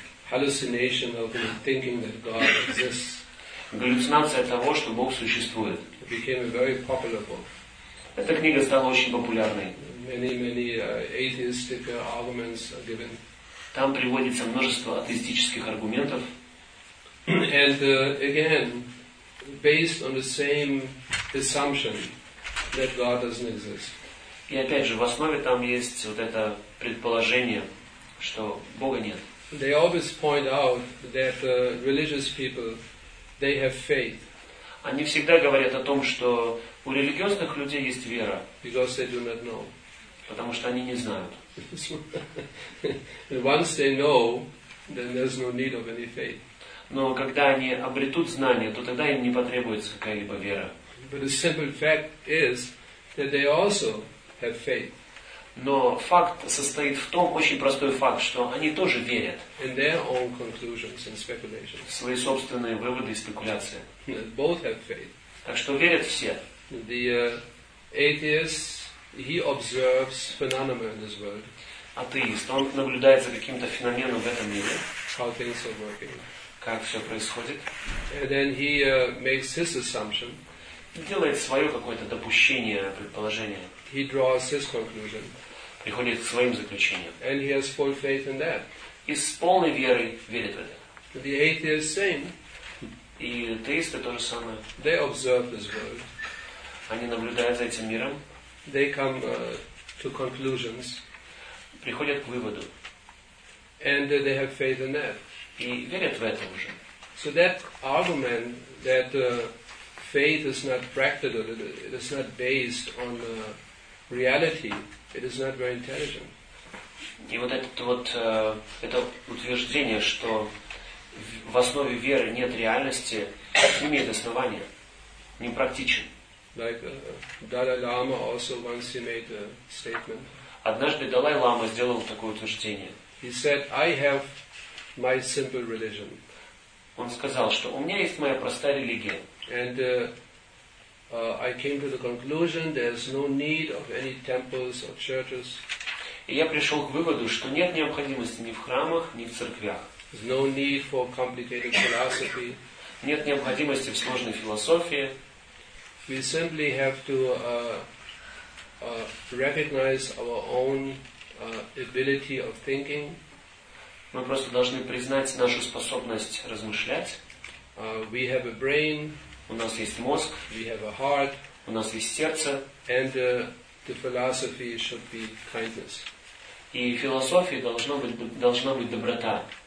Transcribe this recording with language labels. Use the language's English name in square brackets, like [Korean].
[English] Hallucination of thinking that God exists. [Russian] Галлюцинация того, что Бог существует. [English] It became a very popular book. [Russian] Эта книга стала очень популярной. [English] Many atheistic arguments are given. [Russian] Там приводится множество атеистических аргументов. [English] And again, based on the same assumption that God doesn't exist. [Russian] И опять же, в основе там есть вот это предположение, что Бога нет. [English] They always point out that religious people, they have faith. [Russian] Они всегда говорят о том, что у религиозных людей есть вера. [English] Because they do not know. [Russian] Потому что они не знают. [English] Once they know, then there's no need of any faith. [Russian] Но когда они обретут знания, то тогда им не потребуется какая-либо вера. [English] But the simple fact is that they also have faith. [Russian] Но факт состоит в том, очень простой факт, что они тоже верят. [English] In their own conclusions and speculations. [Russian] В свои собственные выводы и спекуляции. [English] Both have faith. [Russian] Так что верят все. [English] The atheist, he observes phenomena in this world. [Russian] Атеист, он наблюдает за каким-то феноменом в этом мире. [English] How things are working. [Russian] Как все происходит. [English] And then he makes his assumption. [Russian] Делает свое какое-то допущение, предположение. [English] He draws his conclusion. [Russian] Приходит к своим заключениям. [English] And he has full faith in that. [Russian] И с полной верой верит в это. [English] The atheist same. [Russian] И атеисты то же самое. [English] They observe this world. [Russian] Они наблюдают за этим миром. [English] They come to conclusions. [Russian] Приходят к выводу. [English] And they have faith in that. [Russian] И верят в это уже. [English] So that argument that faith is not practical, it is not based on reality, it is not very intelligent. [Russian] И вот это вот это утверждение, что в основе веры нет реальности, не имеет основания, не практичен. [English] Like Dalai Lama also once he made a statement. [Russian] Однажды Далай-лама сделал такое утверждение. [English] He said, I have my simple religion. [Russian] Он сказал, что у меня есть моя простая религия. [English] And I came to the conclusion there's no need of any temples or churches. [Russian] И я пришел к выводу, что нет необходимости ни в храмах, ни в церквях. [English] There's no need for complicated philosophy. [Russian] Нет необходимости в сложной философии. [English] We simply have to recognize our own ability of thinking. [Russian] Мы просто должны признать нашу способность размышлять. [English] We have a brain. [Russian] У нас есть мозг. [English] We have a heart. [Russian] У нас есть сердце. [English] And the philosophy should be kindness. [Russian] И философии должна быть доброта.